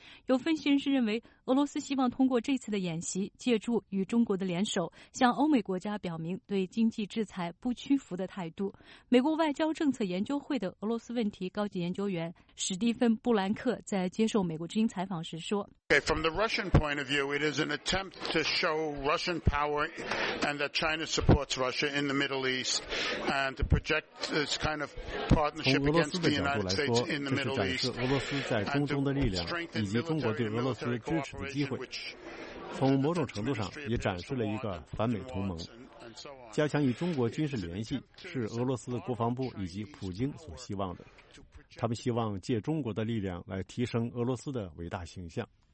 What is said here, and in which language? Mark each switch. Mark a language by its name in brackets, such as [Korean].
[Chinese] 有分析人士认为，俄罗斯希望通过这次的演习，借助与中国的联手，向欧美国家表明对经济制裁不屈服的态度。美国外交政策研究会的俄罗斯问题高级研究员史蒂芬·布兰克在接受美国之音采访时说 [English] okay, From the Russian point of view, it is an attempt to show Russian power and that China supports Russia in the Middle East and to project this kind of partnership [Chinese] 俄罗斯的角度来说，这是展示俄罗斯在中东的力量以及中国对俄罗斯支持的机会，从某种程度上也展示了一个反美同盟。加强与中国军事联系是俄罗斯国防部以及普京所希望的，他们希望借中国的力量来提升俄罗斯的伟大形象。